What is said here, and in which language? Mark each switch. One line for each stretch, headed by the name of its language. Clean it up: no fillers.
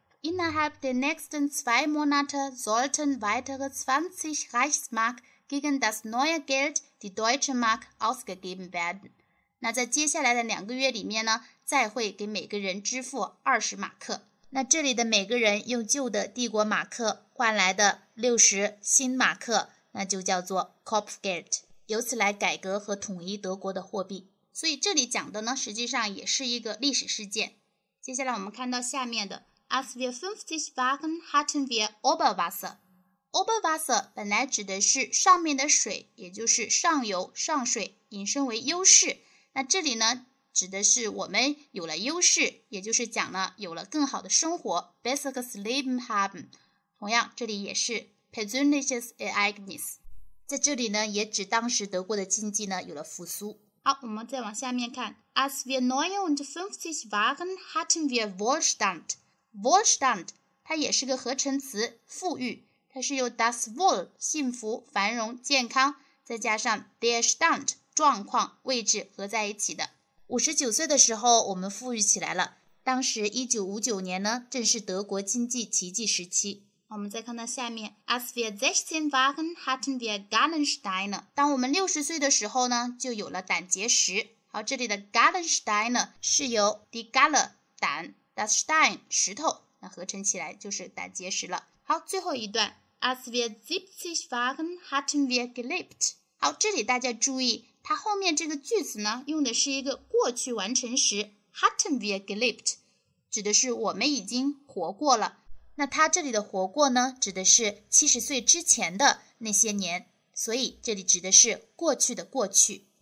German: Innerhalb der nächsten zwei Monate sollten weitere 20 Reichsmark gegen das neue Geld, die Deutsche Mark, ausgegeben werden.
Chinese: 那在接下来的两个月里面呢，再会给每个人支付20马克。那这里的每个人用旧的帝国马克换来的60新马克，那就叫做 Kopfgeld， 由此来改革和统一德国的货币。所以这里讲的呢，实际上也是一个历史事件。接下来我们看到下面的。
German: Als wir 50 waren, hatten wir Oberwasser.
Chinese: Oberwasser 本来指的是上面的水，也就是上游、上水，引申为优势。那这里呢，指的是我们有了优势，也就是讲呢，有了更好的生活 ,
German: besseres Leben haben.
Chinese: 同样，这里也是
German: persönliches Ereignis.
Chinese: 在这里呢，也指当时德国的经济呢，有了复苏。好，我们再往下面看。
German: Als wir 59 waren, hatten wir Wohlstand.
Chinese: Wohlstand, 它也是个合成词富裕它是由 das Wohl, 幸福繁荣健康再加上 der Stand, 状况位置合在一起的。 59岁的时候我们富裕起来了当时1959年呢正是德国经济奇迹时期。我们再看到下面
German: Als wir 16 waren, hatten wir Gallensteine.
Chinese: 当我们60岁的时候呢就有了胆结石。好这里的 Gallensteine 是由 die Galle, 胆。 Das Stein, 石头那合成起来就是胆结石了。好最后一段。
German: Als wir 70 waren, hatten wir gelebt.
Chinese: 好这里大家注意它后面这个句子呢用的是一个过去完成时
German: hatten wir gelebt,
Chinese: 指的是我们已经活过了。那他这里的活过呢，指的是70岁之前的那些年，所以这里指的是过去的过去。